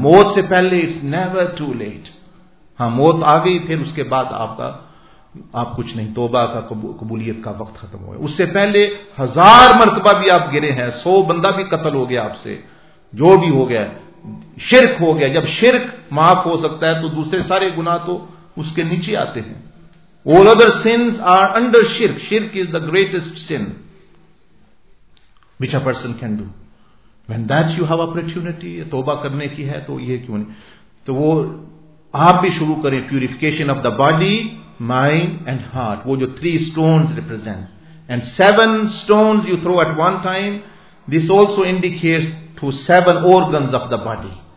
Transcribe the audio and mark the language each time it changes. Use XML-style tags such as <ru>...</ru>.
<ur>موت سے پہلے</ur> <en>It's never too late.</en> <ur>ہاں موت آ گئی, پھر اس کے بعد آپ کا آپ کچھ نہیں, توبہ کا قبولیت کا وقت ختم ہوا. اس سے پہلے ہزار مرتبہ بھی آپ گرے ہیں, 100 بندہ بھی قتل ہو گیا آپ سے, جو بھی ہو گیا, شرک ہو گیا. جب شرک معاف ہو سکتا ہے تو دوسرے سارے گناہ تو اس کے نیچے آتے ہیں.</ur> <en>All other sins are under shirk. Shirk is the greatest sin which a person can do. When that you have opportunity,</en> <ur>توبہ کرنے کی ہے تو یہ کیوں نہیں, تو وہ آپ بھی شروع کریں.</ur> <en>purification of the body, mind and heart,</en> <ur>وہ جو</ur> <en>3 stones represent. And 7 stones you throw at one time, this also indicates to 7 organs of the body.</en>